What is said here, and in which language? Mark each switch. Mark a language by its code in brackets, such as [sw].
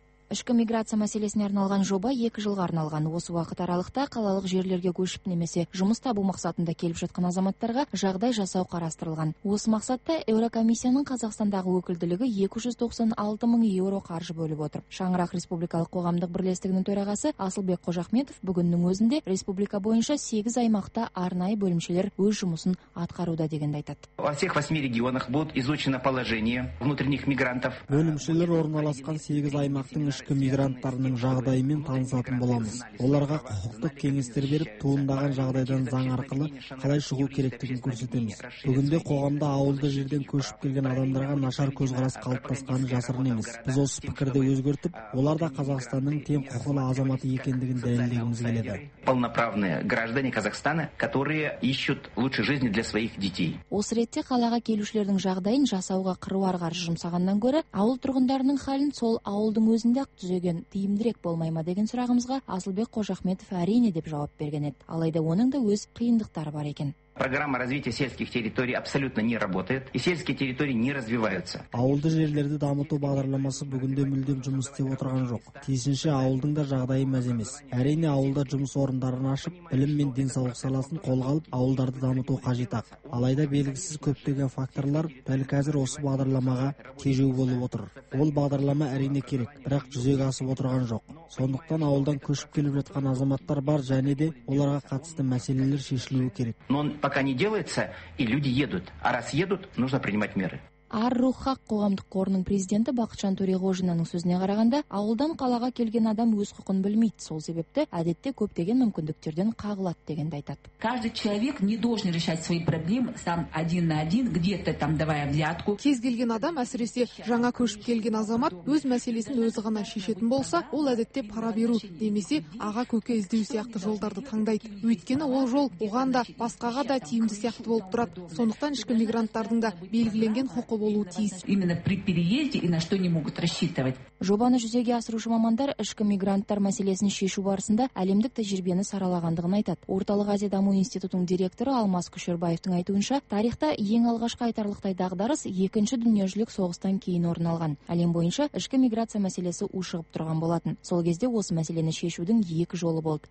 [kk] Ішкі миграция мәселесіне арналған жоба 2 жылға арналған. Осы уақыт аралықта қалалық жерлерге көшіп немесе жұмыс табу мақсатында келіп жатқан азаматтарға жағдай жасау қарастырылған. Осы мақсатта Еурокомиссияның Қазақстандағы өкілдігі 296 000 евро қаржы бөліп отыр. Шаңырақ республикалық қоғамдық бірлестігінің төрағасы Асылбек Қожахметов бүгіннің өзінде республика бойынша 8 аймақта арнайы бөлімшелер өз жұмысын атқаруда дегенді айтады. [ru] Во всех 8 регионах будет изучено положение внутренних мигрантов. [kk] Бөлімшелер орналасқан 8 аймақ ішкі мигранттарының жағдайымен танысатын боламыз. Оларға құқықтық кеңестер беріп, туындаған жағдайдан заң арқылы қалай шығу керектігін көрсетеміз. Бүгінде қоғамда ауылды жерден көшіп келген адамдарға нашар көзқарас қалыптасқанын жасырын емес. Біз осы пікірді өзгертіп, олар да Қазақстанның тең құқылы азаматы екендігін дәлелдегіміз келеді. [ru] Полноправные граждане Казахстана, которые ищут лучшей жизни для своих детей. [kk] Осы ретте қалаға келушілердің жағдайын жасауға қыруар қаржы жұмсағаннан гөрі ауыл тұрғындарының халін сол ауылдың өзінде түзеген тиімдірек болмай ма деген сұрағымызға Асылбек Қожахметов әрине деп жауап берген еді. Алайда оның да өз қиындықтары бар екен. [ru] Программа развития сельских территорий абсолютно не работает, и сельские территории не развиваются. [kk] Ауылды жерлерді дамыту бағдарламасы бүгінде мүлдем жұмыс істеп отырған жоқ. Тиісінше ауылдың да жағдайы мәз емес. Әрине ауылда жұмыс орындарын ашып, білім мен денсаулық саласын қолға алып, ауылдарды дамыту қажет. Алайда белгісіз көптеген факторлар дәл қазір осы бағдарламаға тежеу болып отыр. Ол бағдарлама әрине керек, бірақ жүзеге асып отырған жоқ. Сондықтан ауылдан көшіп келіп жатқан азаматтар бар және де оларға қатысты мәселелер шешілуі керек. [ru] Пока не делается, и люди едут. А раз едут, нужно принимать меры. [kk] Ар-Рухақ қоғамдық қорының президенті Бақытжан Төреғожинаның сөзіне қарағанда, ауылдан қалаға келген адам өз құқын білмейді. Сол себепті әдетте көптеген мүмкіндіктерден қағылады дегенді айтады. [ru] Каждый человек не должен решать свои проблемы сам один на один, где-то там давая взятку. [kk] Кез келген адам, әсіресе жаңа көшіп келген азамат, өз мәселесін өзі ғана шешетін болса, ол әдетте пара беру немесе аға көке іздеу сияқты жолдарды таңдайды. Өйткені ол жол оған да басқаға да тиімді сияқты болып тұрады. Сондықтан ішкі мигранттардың да белгіленген құқы болуы тиіс. [ru] Именно при переезде и на что не могут рассчитывать. [kk] Жобаны жүзеге асырушы мамандар ішкі мигранттар мәселесін шешу барысында әлемдік тәжірибені саралағандығын айтады. Орталық Азия даму институтының директоры Алмаз Күшербаевтың айтуынша, тарихта ең алғашқы айтарлықтай дағдарыс 2-ші дүниежүзілік соғыстан кейін орын алған. Әлем бойынша ішкі миграция мәселесі ушығып тұрған болатын. Сол кезде осы мәселені шешудің екі жолы болды.